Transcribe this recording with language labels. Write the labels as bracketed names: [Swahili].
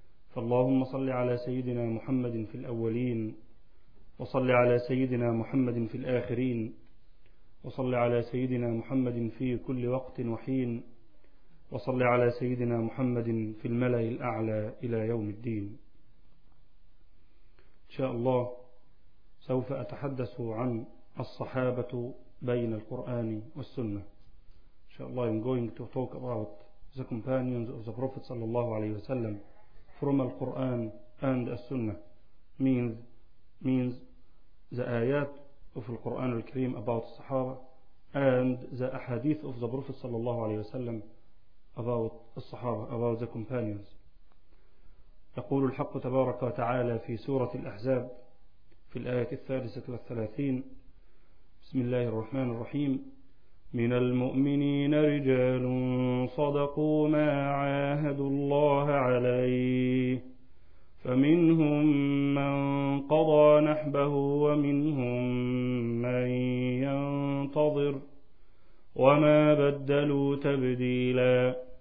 [Arabic] فاللهم صل على سيدنا محمد في الأولين، وصل على سيدنا محمد في الآخرين، وصل على سيدنا محمد في كل وقت وحين، وصل على سيدنا محمد في الملأ الأعلى إلى يوم الدين. إن شاء الله سوف أتحدث عن الصحابة بين القرآن والسنة. إن شاء الله [English] I'm going to talk about the companions of the Prophet [Arabic] صلى الله عليه وسلم [English] from the Quran and the Sunnah. Means the آيات of the Quran الكريم about the Sahaba and the Ahadith of the Prophet [Arabic] صلى الله عليه وسلم [English] about the Sahaba, about the companions. [Arabic] يقول الحق تبارك وتعالى في سورة الأحزاب في الآية 36: بسم الله الرحمن الرحيم. من المؤمنين رجال صدقوا ما عاهدوا الله عليه، فمنهم من قضى نحبه ومنهم من ينتظر، وما بدلوا تبديلا.